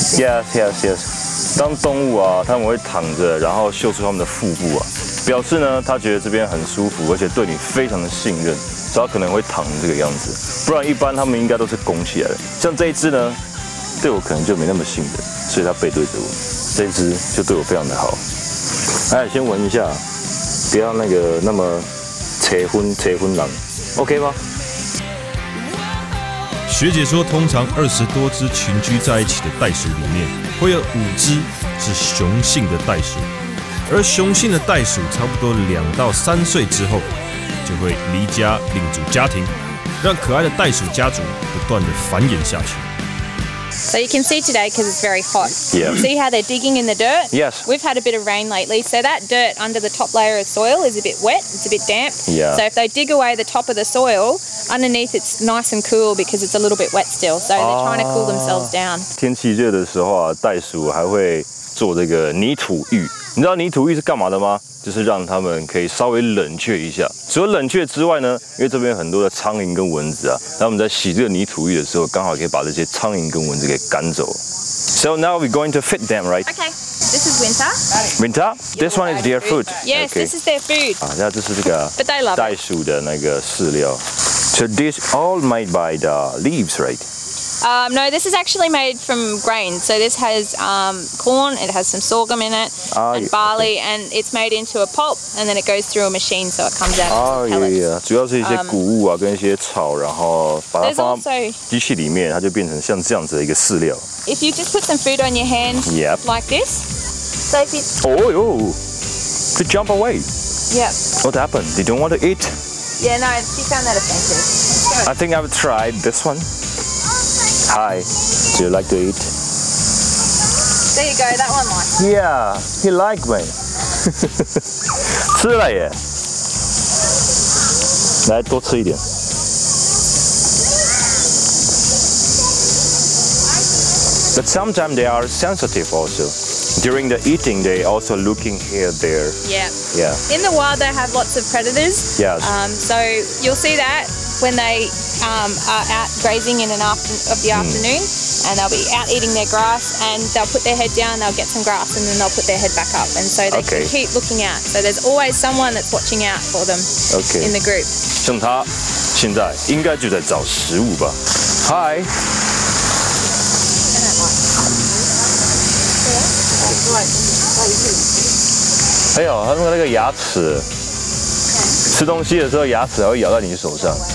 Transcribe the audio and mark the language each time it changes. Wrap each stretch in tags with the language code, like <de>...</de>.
<en>it's in. Yes, yes, yes.</en> <zh>当动物啊，他们会躺着，然后秀出他们的腹部啊，表示呢，他觉得这边很舒服，而且对你非常的信任。所以他可能会躺这个样子，不然一般他们应该都是拱起来的。像这一只呢，对我可能就没那么信任，所以他背对着我。这一只就对我非常的好。哎，先闻一下，不要那个那么扯昏狼 ，OK 吗？学姐说，通常二十多只群居在一起的袋鼠里面，会有五只是雄性的袋鼠，而雄性的袋鼠差不多2到3岁之后。就会离家另组家庭，让可爱的袋鼠家族不断的繁衍下去。</zh> <en>So you can see today because it's very hot. Yeah. See how they're digging in the dirt? Yes. We've had a bit of rain lately, so that dirt under the top layer of soil is a bit wet. It's a bit damp. Yeah. So if they dig away the top of the soil, underneath it's nice and cool because it's a little bit wet still. So they're trying to cool themselves down.</en> <zh>天气热的时候啊，袋鼠还会做这个泥土浴。你知道泥土浴是干嘛的吗？就是让他们可以稍微冷却一下。除了冷却之外呢，因为这边很多的苍蝇跟蚊子啊，他们在洗这个泥土浴的时候，刚好可以把这些苍蝇跟蚊子给赶走。</zh> <en>So now we're going to feed them, right? Okay. This is Winter. Winter. This one is their food. Yes,、okay. this is their food.</en> <zh>啊，那这是这个袋鼠的那个饲料。</zh> <en>So this all made by the leaves, right? No, this is actually made from grain. So this has corn, it has some sorghum in it, and barley, and it's made into a pulp, and then it goes through a machine, so it comes out. Oh, yeah.</en> <zh>主要是一些谷物啊，跟一些草，然后把它放机器里面，它就变成像这样子的一个饲料。</zh> <en>If you just put some food on your hand, yep, like this. So if you, oh, yo, they jump away. Yep. What happened? They don't want to eat. Yeah, no, she found that offensive. I think I've tried this one. Hi, do you like to eat? There you go, that one likes it. Yeah, he likes me.</en> <zh>吃了耶。来，多吃一点。</zh> <en>But sometimes they are sensitive also. During the eating, they also looking here, there. Yeah. Yeah. In the wild, they have lots of predators. Yes. So you'll see that when they are out grazing in an afternoon, and they'll be out eating their grass, and they'll put their head down, they'll get some grass, and then they'll put their head back up. And so they can keep looking out. So there's always someone that's watching out for them in the group.</en> <zh>像他现在应该就在找食物吧。</zh> <en>Hi.</en> <zh>哎呦，他那个牙齿，吃东西的时候牙齿还会咬在你手上。</zh>